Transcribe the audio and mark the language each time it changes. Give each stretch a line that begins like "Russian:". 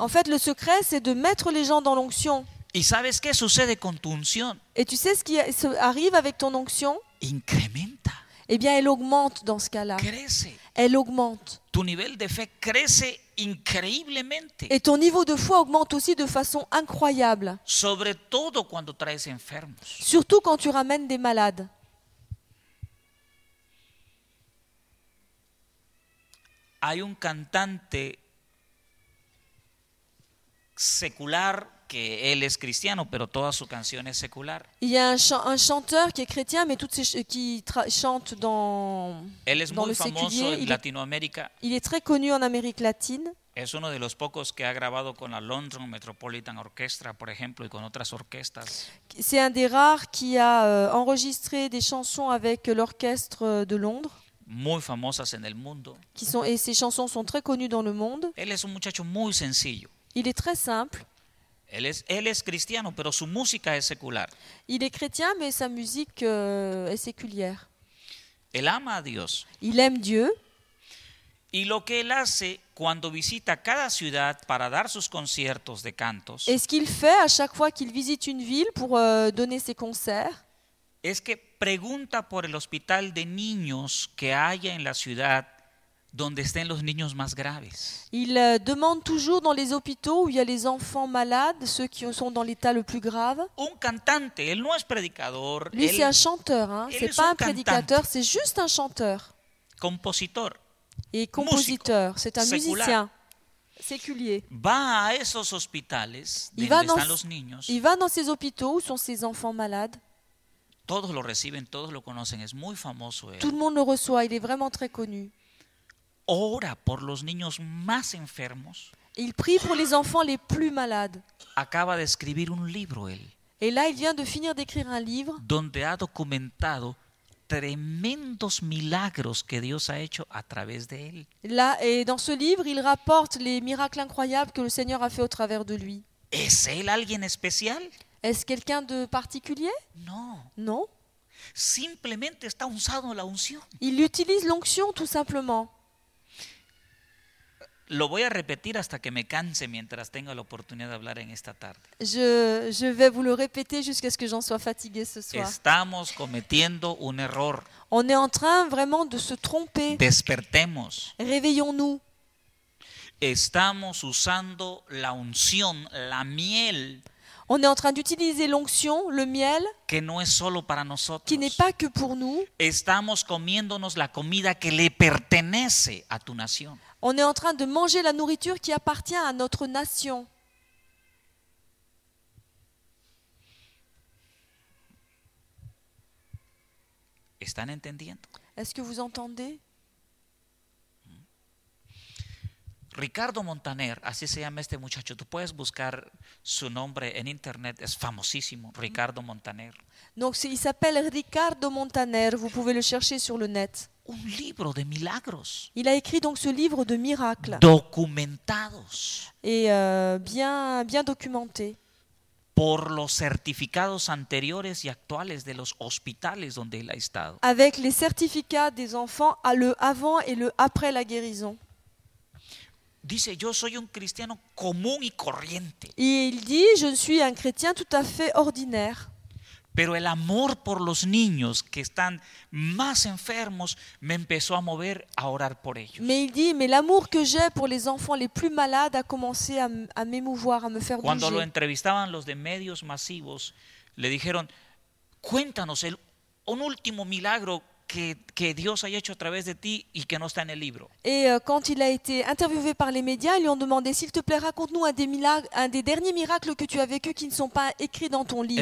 French: En fait, le secret, c'est de mettre les gens dans l'onction.
Spanish: ¿Y sabes qué sucede con tu unción?
French: Et tu sais ce qui arrive avec ton onction?
Spanish: Incrementa.
French: Eh bien, elle augmente dans ce cas-là.
Spanish: Crece.
French: Elle augmente.
Spanish: Tu nivel de fe crece increíblemente.
French: Et ton niveau de foi augmente aussi de façon incroyable.
Spanish: Sobre todo cuando traes enfermos.
French: Surtout quand tu ramènes des malades.
Spanish: Hay un cantante secular. Que él es cristiano, pero toda su canción es secular.
French: Il y a un chanteur qui est chrétien, mais toutes chante dans
Spanish: él es
French: dans
Spanish: muy
French: le séculier.
Spanish: En Latinoamérica.
French: Il est très connu en Amérique latine.
Spanish: Es uno de los pocos que ha grabado con la London Metropolitan Orchestra, por ejemplo, y con otras orquestas.
French: C'est un des rares qui a enregistré des chansons avec l'orchestre de Londres.
Spanish: Muy famosas en el mundo.
French: Qui sont et ses chansons sont très connues dans le monde.
Spanish: Él es un muchacho muy sencillo.
French: Il est très simple.
Spanish: Él es cristiano, pero su música es secular.
French: Il est chrétien, mais sa musique est séculière.
Spanish: Él ama a Dios.
French: Il aime Dieu.
Spanish: Y lo que él hace cuando visita cada ciudad para dar sus conciertos de cantos.
French: Et ce qu'il fait à chaque fois qu'il visite une ville pour donner ses concerts.
Spanish: Es que pregunta por el hospital de niños que haya en la ciudad donde estén los niños más graves.
French: Il demande toujours dans les hôpitaux où il y a les enfants malades, ceux qui sont dans l'état le plus grave.
Spanish: Un cantante, él no es predicador.
French: Lui, c'est un chanteur, hein. C'est pas un prédicateur, c'est juste un chanteur.
Spanish: Compositor.
French: Et compositeur, c'est un musicien. Séculier.
Spanish: Va a esos hospitales donde están los niños.
French: Il va dans ces hôpitaux où sont ces enfants malades.
Spanish: Todos lo reciben, todos lo conocen, es muy famoso él.
French: Tout le monde le reçoit, il est vraiment très connu.
Spanish: Ora por los niños más enfermos.
French: Il prie pour les enfants les plus malades.
Spanish: Acaba de escribir un libro él.
French: Et là, il vient de finir d'écrire un livre.
Spanish: Donde ha documentado tremendos milagros que Dios ha hecho a través de él.
French: Là, et dans ce livre, il rapporte les miracles incroyables que le Seigneur a fait au travers de lui.
Spanish: ¿Es él alguien especial?
French: Est-ce quelqu'un de particulier? Non. Non.
Spanish: Simplemente está usando la unción.
French: Il utilise l'onction tout simplement.
Spanish: Lo voy a repetir hasta que me canse mientras tenga la oportunidad de hablar en esta tarde.
French: Je vais vous le répéter jusqu'à ce que j'en sois fatigué ce soir.
Spanish: Estamos cometiendo un error.
French: On est en train vraiment de se tromper.
Spanish: Despertemos.
French: Réveillons-nous.
Spanish: Estamos usando la unción, la miel.
French: On est en train d'utiliser l'onction, le miel,
Spanish: que no es solo para nosotros,
French: qui n'est pas que pour nous.
Spanish: Estamos comiéndonos la comida que le pertenece a tu nación.
French: On est en train de manger la nourriture qui appartient à notre nation.
Spanish: ¿Están entendiendo?
French: Est-ce que vous entendez?
Spanish: Ricardo Montaner, así se llama este muchacho. Tú puedes buscar su nombre en internet, es famosísimo, Ricardo Montaner.
French: Donc, il s'appelle Ricardo Montaner, vous pouvez le chercher sur le net.
Spanish: Un libro de milagros.
French: Il a écrit donc ce livre de miracles.
Spanish: Documentados.
French: Et bien documenté.
Spanish: Por los certificados anteriores y actuales de los hospitales donde él ha estado.
French: Avec les certificats des enfants à le avant et le après la guérison.
Spanish: Dice, yo soy un cristiano común y corriente.
French: Et il dit, je suis un chrétien tout à fait ordinaire.
Spanish: Pero el amor por los niños que están más enfermos me empezó a mover a orar por ellos.
French: Mais il dit, mais l'amour que j'ai pour les enfants les plus malades a commencé à m'émouvoir, à me faire bouger.
Spanish: Cuando lo entrevistaban los de medios masivos, le dijeron, cuéntanos un último milagro que Dios haya hecho a través de ti y que no está en el libro.
French: Et quand il a été interviewé par les médias, ils lui ont demandé, s'il te plaît, raconte-nous un des derniers miracles que tu as vécu qui ne sont pas écrits dans ton livre.